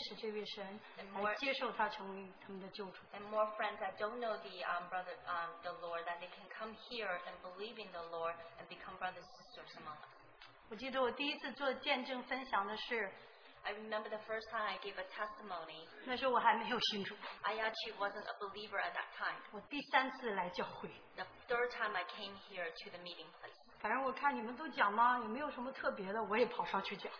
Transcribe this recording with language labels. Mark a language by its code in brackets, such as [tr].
[zh] 也让更多还没有信主的朋友能够来到这边，能够有一天认识这位神，来接受他成为他们的救主。 [en] And more friends that don't know the Lord, that they can come here and believe in the Lord and become brothers and sisters among us. [zh] 我记得我第一次做见证分享的是。 [en] I remember the first time I gave a testimony. [zh] 那时候我还没有信主。 [en] I actually wasn't a believer at that time. [zh] 我第三次来教会。 [en] The third time I came here to the meeting place. [zh] 反正我看你们都讲嘛，也没有什么特别的，我也跑上去讲。